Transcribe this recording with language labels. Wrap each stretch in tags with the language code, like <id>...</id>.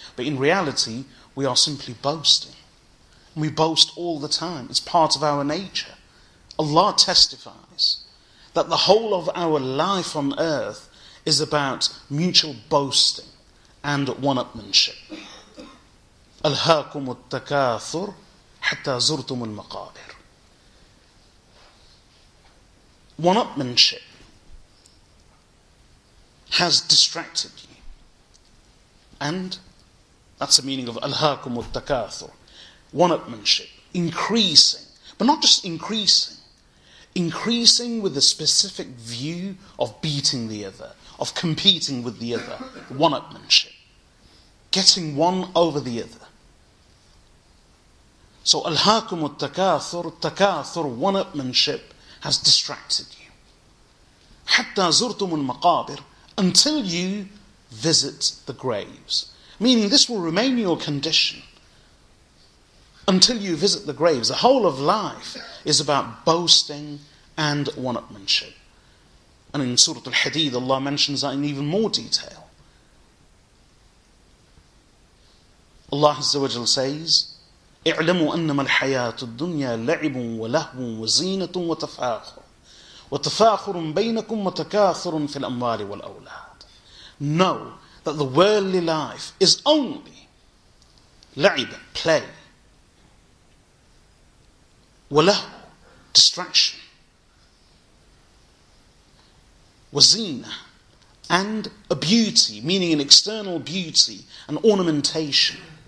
<en>But in reality, we are simply boasting. We boast all the time. It's part of our nature. Allah testifies that the whole of our life on earth is about mutual boasting and one-upmanship.</en> <ar>أَلْهَاكُمُ التَّكَاثُرُ حَتَّى زُرْتُمُ الْمَقَابِرُ.</ar> <en>One-upmanship has distracted you. And that's the meaning of</en> <ar>أَلْهَاكُمُ التَّكَاثُرُ.</ar> <en>One-upmanship, increasing, but not just increasing. Increasing with a specific view of beating the other, of competing with the other, one-upmanship. Getting one over the other. So,</en> <ar>أَلْهَاكُمُ التَّكَاثُرُ, التَّكَاثُرُ,</ar> <en>one-upmanship has distracted you.</en> <ar>حَتَّى زُرْتُمُ الْمَقَابِرُ,</ar> <en>until you visit the graves. Meaning this will remain your condition. Until you visit the graves. The whole of life is about boasting and one-upmanship. And in Surah Al-Hadid, Allah mentions that in even more detail. Allah Azza wa Jal says,</en> <ar>اعلموا أنما الحياة الدنيا لعب ولهو وزينة وتفاخر وتفاخر بينكم وتكاثر في الأموال والأولاد.</ar> <en>Know that the worldly life is only لعب, play. وله, distraction. وزينة, and a beauty, meaning an external beauty, an ornamentation.</en>